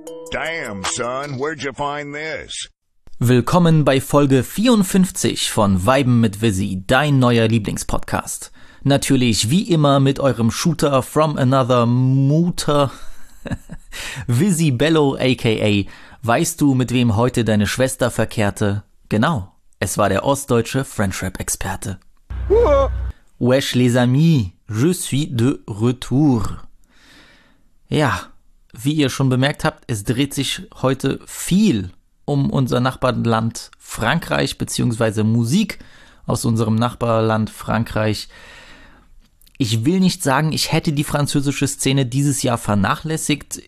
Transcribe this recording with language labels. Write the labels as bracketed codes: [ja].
[en] Damn, son, where'd you find this? [de] Willkommen bei Folge 54 von Weiben mit Visi, dein neuer Lieblingspodcast. Natürlich wie immer mit eurem [en] Shooter from another [de] Mutter, Visi Bello aka, weißt du, mit wem heute deine Schwester verkehrte? Genau, es war der ostdeutsche Friendship-Experte. [fr] Wesh les amis, je suis de retour. [de] Ja, wie ihr schon bemerkt habt, es dreht sich heute viel um unser Nachbarland Frankreich bzw. Musik aus unserem Nachbarland Frankreich. Ich will nicht sagen, ich hätte die französische Szene dieses Jahr vernachlässigt.